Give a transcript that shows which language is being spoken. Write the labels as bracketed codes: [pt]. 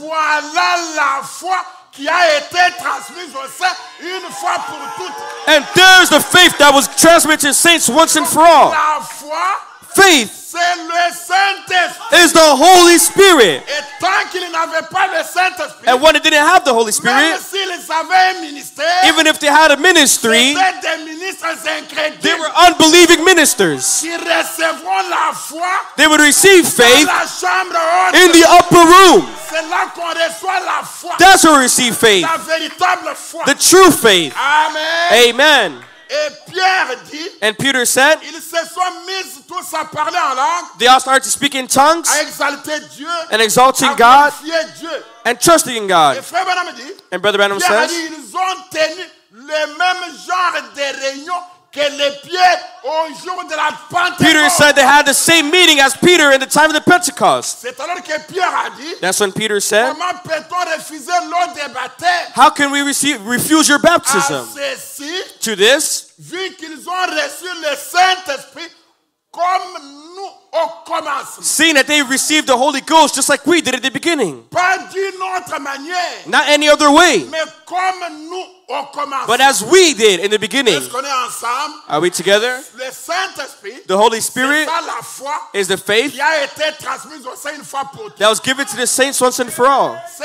[fr] voilà la foi qui a été transmise aux saints une fois pour toutes. [en] And there's the faith that was transmitted to saints once and for all. [fr] La foi, [en] faith, [fr] c'est le Saint-Esprit. [en] Is the Holy Spirit. [fr] Et tant qu'il n'avait pas le Saint-Esprit, [en] and when it didn't have the Holy Spirit, [fr] même s'ils avaient un ministère, [en] even if they had a ministry, [fr] c'était des ministres incrédules, [en] they were unbelieving ministers. [fr] Qui recevront la foi, [en] they would receive faith [fr] dans la chambre haute, [en] in the upper room. [fr] C'est là qu'on reçoit la foi, [en] that's where we receive faith. [fr] La véritable foi. [en] The true faith. [fr] Amen. [en] Amen. [fr] Et Pierre dit, [en] and Peter said, [fr] ils se sont mis tous à parler en langue, [en] they all started to speak in tongues, [fr] à exalter Dieu, [en] and exalting God, [fr] à glorifier Dieu, [en] and trusting in God. [fr] Et Frère Branham dit, [en] and Brother Branham [fr] Pierre [en] says, [fr] dit, ils ont tenu le même genre de réunion que les pieds au jour de la Pentecôte. [en] Peter said they had the same meeting as Peter in the time of the Pentecost. [fr] C'est alors que Pierre a dit, [en] that's when Peter said, [fr] comment peut-on refuser l'eau de baptême? [en] How can we refuse your baptism? [fr] À ceci, [en] to this, [fr] vu qu'ils ont reçu le Saint-Esprit comme nous au commencement. [en] Seeing that they received the Holy Ghost just like we did at the beginning. [fr] Pas d'une autre manière, [en] not any other way. [fr] Mais comme nous. [en] But as we did in the beginning, are we together? The Holy Spirit is the faith that was given to the saints once and for all.